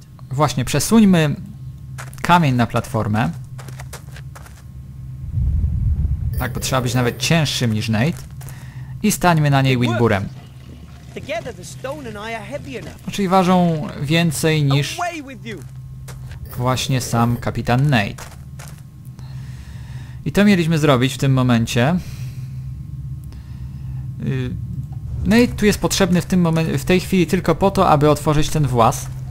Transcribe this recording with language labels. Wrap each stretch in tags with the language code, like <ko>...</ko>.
<pl>Właśnie, przesuńmy kamień na platformę. Tak, bo trzeba być nawet cięższym niż Nate. I stańmy na niej Wilburem.</pl> <en>Together the stone and I are heavy enough.</en> <pl>Czyli ważą więcej niż właśnie sam kapitan Nate. I to mieliśmy zrobić w tym momencie. Nate tu jest potrzebny w tej chwili tylko po to, aby otworzyć ten właz.</pl>